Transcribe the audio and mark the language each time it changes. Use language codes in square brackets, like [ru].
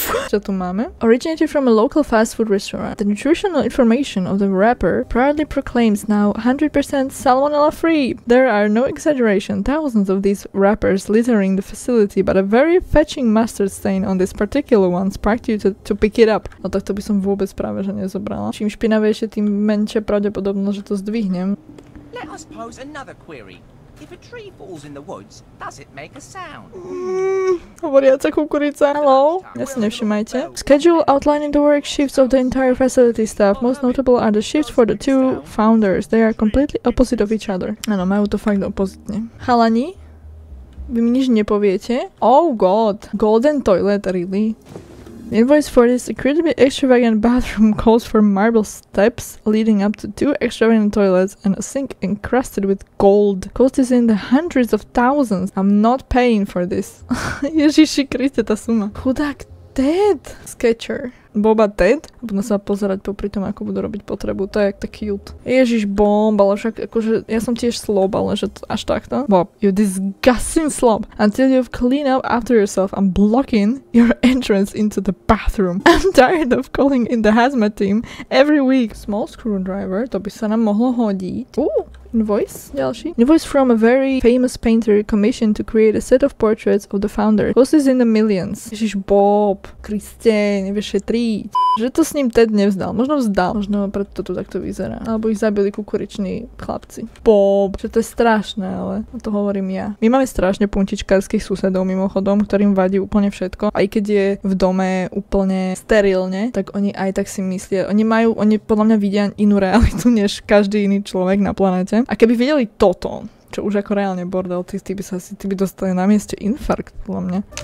[sk] Čo tu máme? [en] Originated from a local fast food restaurant. The nutritional information of the wrapper proudly proclaims now 100% salmonella free. There are no exaggeration. Thousands of these wrappers littering the facility, but a very fetching mustard stain on this particular one sparked you to pick it up. [sk] No tak to by som vôbec práve že nezobrala. Čím špinavejšie, tým menšie pravdepodobno, že to zdvihnem. [en] Let us pose another query. If a tree falls in the woods, does it make a sound? [sk] Hovoriaca kukurica. [en] Hello. Yes, [sk] nevšimajte. [en] Schedule outlining the work shifts of the entire facility staff. Most notable are the shifts for the two founders. They are completely opposite of each other. [sk] Áno, majú to fakt opozitne. Chalani, vy mi nič nepoviete? [en] Oh god. Golden toilet, really? Invoice for this incredibly extravagant bathroom calls for marble steps leading up to two extravagant toilets and a sink encrusted with gold. Cost is in the hundreds of thousands. I'm not paying for this. [sk] Ježiši Kriste, tá suma. Chudák Ted. Sketcher. Boba Ted. Budem sa pozerať popri tom, ako budú robiť potrebu. To je jak tak cute. Ježiš, bomba, ale však akože ja som tiež slob, ale že to až takto. [en] Bob, you disgusting slob. Until you've cleaned up after yourself, I'm blocking your entrance into the bathroom. I'm tired of calling in the hazmat team every week. Small screwdriver, [sk] to by sa nám mohlo hodiť. [en] Voice, [sk] ďalší. [en] Voice from a very famous painter commissioned to create a set of portraits of the founder. Cost is in the millions. [sk] Ježiš, Bob, Kriste, nevieš šetriť. Že to s ním Ted nevzdal. Možno vzdal. Možno preto to tu takto vyzerá. Alebo ich zabili kukuriční chlapci. Bob. Že to je strašné, ale to hovorím ja. My máme strašne puntičkárskych susedov mimochodom, ktorým vadí úplne všetko. Aj keď je v dome úplne sterilne, tak oni aj tak si myslia. Oni podľa mňa vidia inú realitu než každý iný človek na planete. A keby videli toto, čo už ako reálne bordel, ty by dostali na mieste infarkt podľa mňa.